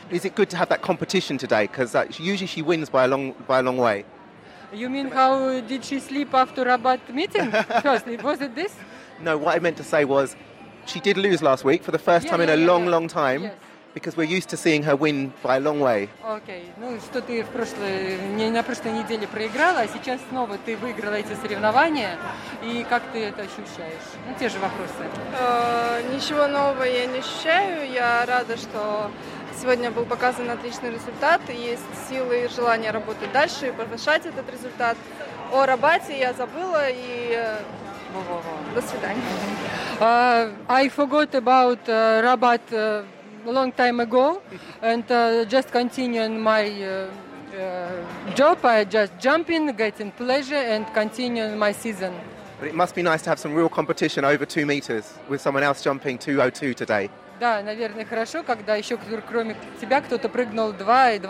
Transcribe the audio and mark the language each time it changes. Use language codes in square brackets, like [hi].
[en] Is it good to have that competition today? Because usually she wins by a long way. You mean how did she slip after Rabat meeting? Firstly, was it this? No, what I meant to say was, she did lose last week for the first time in a long, long time. Yes. Because we're used to seeing her win by a long way. Okay. [ru] Ну, что ты в прошлой, на прошлой неделе проиграла, а сейчас снова ты выиграла эти соревнования. И как ты это ощущаешь? Ну, те же вопросы. Ничего нового я не ощущаю. Я рада, что сегодня был показан отличный результат. Есть силы и желание работать дальше и повышать этот результат. О Рабате я забыла и... До свидания. [en] I forgot about Rabat a long time ago and just continuing my job. I just jumping, getting pleasure and continuing my season. But it must be nice to have some real competition over 2 meters with someone else jumping 2.02 today. [ru] Да, наверное, хорошо, когда еще кроме тебя кто-то прыгнул 2.02.